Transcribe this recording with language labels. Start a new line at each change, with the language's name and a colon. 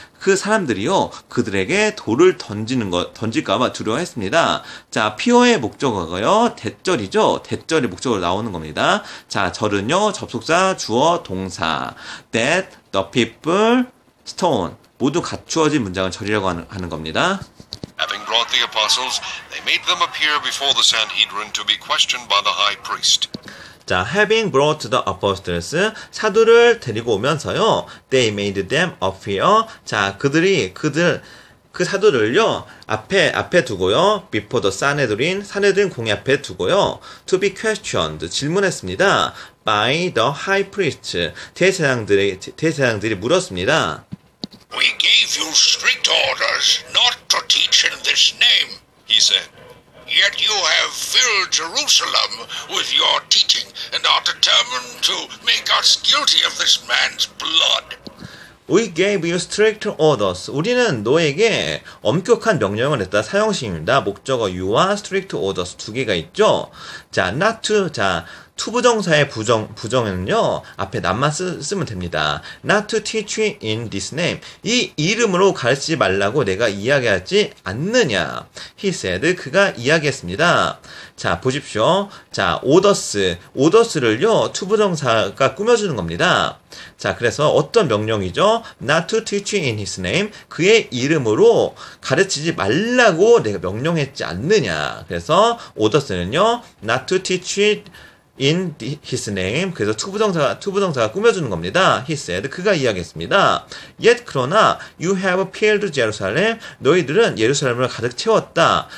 Korean: 그 사람들이요, 그들에게 돌을 던질까봐 두려워했습니다. 자, 피어의 목적어가요, 대절이죠. 대절이 목적으로 나오는 겁니다. 자, 절은요, 접속사, 주어, 동사.
English: That, the people, stone.
Korean: 모두 갖추어진 문장을 절이라고 하는 겁니다.
English: Having brought the apostles, they made them appear before the Sanhedrin to be questioned by the high priest. 자, having brought the apostles,
Korean: 사도를 데리고 오면서요,
English: they made them appear.
Korean: 자, 그 사도들을요, 앞에 두고요,
English: before the Sanhedrin,
Korean: 산헤드린 공회 앞에 두고요,
English: to be questioned,
Korean: 질문했습니다.
English: by the high priest,
Korean: 대제사장들이 물었습니다.
English: We gave you strict orders not to teach in this name, he said. Yet you have filled Jerusalem with your teaching and are determined to make us guilty of this man's blood. We gave you strict orders.
Korean: 우리는 너에게 엄격한 명령을 했다. 사용식입니다. 목적어 you와 strict orders 두 개가 있죠. 자, not to, 자, to 부정사의 부정에는요, 앞에 not만 쓰면 됩니다.
English: Not to teach in this name.
Korean: 이 이름으로 가르치지 말라고 내가 이야기하지 않느냐.
English: He said,
Korean: 그가 이야기했습니다. 자, 보십시오. 자, orders를요, to 부정사가 꾸며주는 겁니다. 자, 그래서 어떤 명령이죠?
English: Not to teach in his name.
Korean: 그의 이름으로 가르치지 말라고 내가 명령했지 않느냐.
English: 그래서 orders는요, not to teach in his name.
Korean: 그래서 투부정사가 꾸며주는 겁니다.
English: He said,
Korean: 그가 이야기했습니다.
English: Yet, 그러나, you have filled Jerusalem.
Korean: 너희들은 예루살렘을 가득 채웠다.